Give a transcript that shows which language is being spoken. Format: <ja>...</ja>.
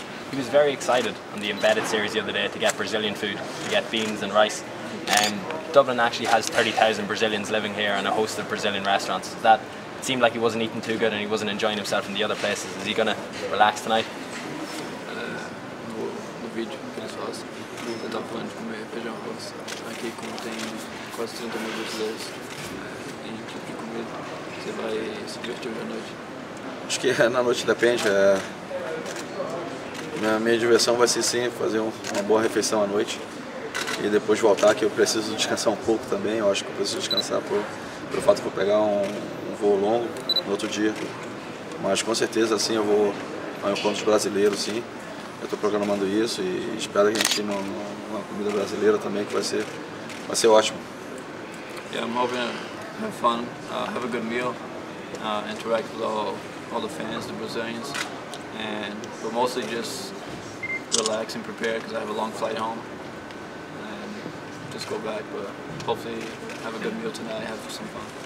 <en>He was very excited on the Embedded series the other day to get Brazilian food, to get beans and rice. Dublin actually has 30,000 Brazilians living here and a host of Brazilian restaurants. Is that? It seemed like he wasn't eating too good and he wasn't enjoying himself in the other places. Is he gonna relax tonight?</en> <pt>No vídeo que eles fazem, eu tava falando de comer feijão arroz. Aqui, como tem quase 30 mil brasileiros em tipo de comida, você vai se divertir hoje à noite? Acho que na noite depende. Minha diversão vai ser sim fazer uma boa refeição à noite e depois voltar, que eu preciso descansar um pouco também. Eu acho que eu preciso descansar pelo fato de eu pegar um voo longo no outro dia, mas com certeza assim eu vou ao encontro brasileiro, sim. Eu estou programando isso e espero que a gente tenha uma comida brasileira também, que vai ser ótimo.</pt> <en>Yeah, I'm hoping to have fun, have a good meal, interact with all the fans, the Brazilians, but mostly just relax and prepare because I have a long flight home and just go back. But hopefully have a good meal tonight, have some fun.</en>